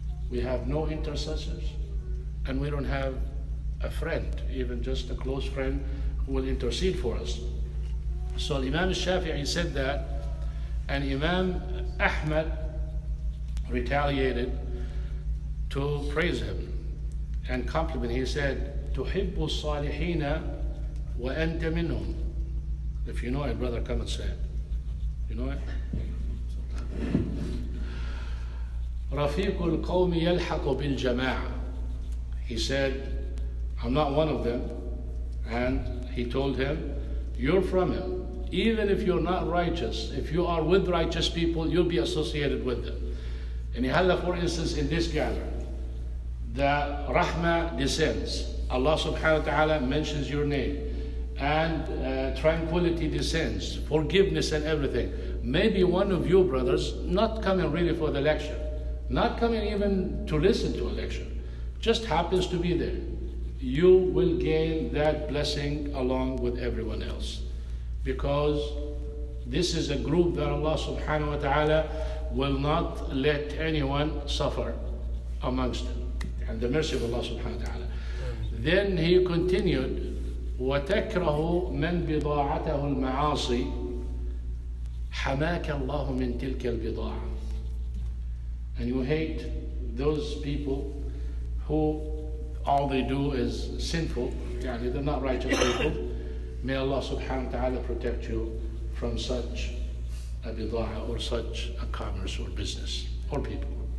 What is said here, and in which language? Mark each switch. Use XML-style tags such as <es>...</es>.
<en>We have no intercessors and we don't have a friend, even just a close friend, who will intercede for us. So Imam al-Shafi'i said that, and Imam Ahmad retaliated to praise him and compliment. He said,</en> <ar>تُحِبُّ الصَّالِحِينَ وَأَنْتَ مِنْهُمْ.</ar> <en>If you know it, brother, come and say it. You know it?</en> <ar>رَفِيقُ الْقَوْمِ يَلْحَقُ بِالْجَمَاعَةِ.</ar> <en>He said, I'm not one of them. And he told him, you're from him. Even if you're not righteous, if you are with righteous people, you'll be associated with them. And yahalla, for instance, in this gathering, the rahmah descends. Allah subhanahu wa ta'ala mentions your name. And tranquility descends, forgiveness and everything. Maybe one of you brothers, not coming really for the lecture, not coming even to listen to a lecture, just happens to be there. You will gain that blessing along with everyone else. Because this is a group that Allah subhanahu wa ta'ala will not let anyone suffer amongst them. And the mercy of Allah subhanahu wa ta'ala. Then he continued,</en> <ar>وَتَكْرَهُ مَنْ بِضَاعَتَهُ الْمَعَاصِي حَمَاكَ اللَّهُ مِنْ تِلْكَ الْبِضَاعَةِ.</ar> <en>And you hate those people who all they do is sinful,</en> <ar>يعني</ar> <en>they're not righteous people. May Allah subhanahu wa ta'ala protect you from such a bida'a or such a commerce or business or people.</en>